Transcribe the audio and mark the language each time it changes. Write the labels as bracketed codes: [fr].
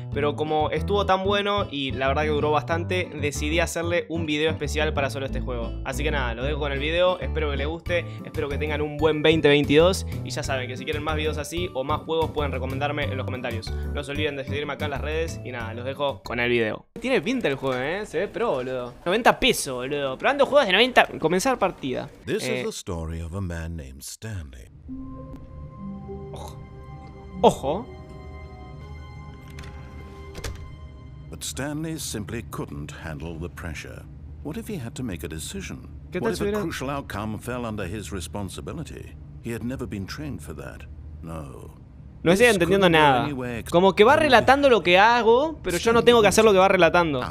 [es] Pero como estuvo tan bueno y la verdad que duró bastante, decidí hacerle un video especial para solo este juego. Así que nada, lo dejo con el video, espero que les guste, espero que tengan un buen 2022. Y ya saben que si quieren más videos así o más juegos pueden recomendarme en los comentarios. No se olviden de seguirme acá en las redes y nada, los dejo con el video. Tiene pinta el juego, se ve pro, boludo. 90 pesos, boludo. Probando juegos de 90. Comenzar partida. [en] This is the story of a man named Stanley. [es] Ojo. Ojo. [en] But Stanley simply couldn't handle the pressure. What if he had to make a decision? What if a crucial outcome fell under his responsibility? He had never been trained for that. No. [es] No estoy entendiendo nada. Como que va relatando lo que hago, pero yo no tengo que hacer lo que va relatando.